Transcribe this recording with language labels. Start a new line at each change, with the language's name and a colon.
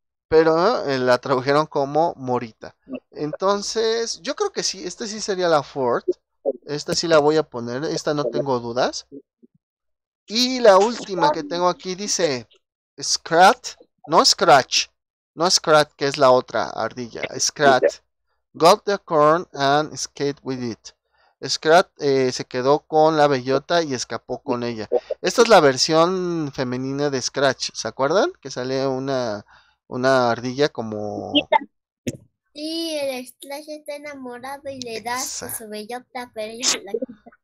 Spanish: Pero la tradujeron como Morita. Entonces, yo creo que sí, esta sí sería la Ford. Esta sí la voy a poner, esta no tengo dudas. Y la última que tengo aquí dice, Scrat, no Scratch. No Scrat, que es la otra ardilla.
English: Scrat got the corn and escaped with it.
Spanish: Scrat se quedó con la bellota y escapó con ella. Esta es la versión femenina de Scratch. ¿Se acuerdan? Que sale una ardilla como. Sí, el Slash está enamorado y le da hasta su bellota, pero ella se la quita.